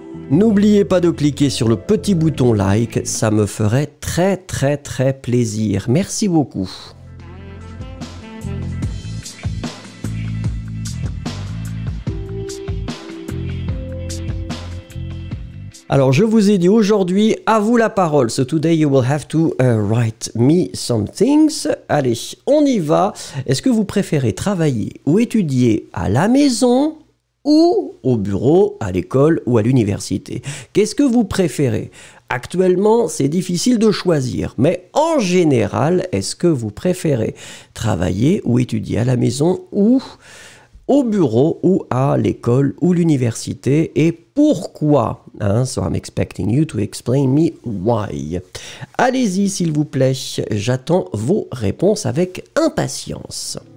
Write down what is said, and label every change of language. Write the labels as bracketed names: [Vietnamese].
[French] N'oubliez pas de cliquer sur le petit bouton like, ça me ferait très très très plaisir. Merci beaucoup. Alors, je vous ai dit aujourd'hui, à vous la parole. [English] So today you will have to write me some things. [French] Allez, on y va. Est-ce que vous préférez travailler ou étudier à la maison ou au bureau, à l'école ou à l'université. Qu'est-ce que vous préférez ? Actuellement, c'est difficile de choisir, mais en général, est-ce que vous préférez travailler ou étudier à la maison ou au bureau ou à l'école ou l'université, et pourquoi, hein? [English] So I'm expecting you to explain me why. [French] Allez-y, s'il vous plaît, j'attends vos réponses avec impatience.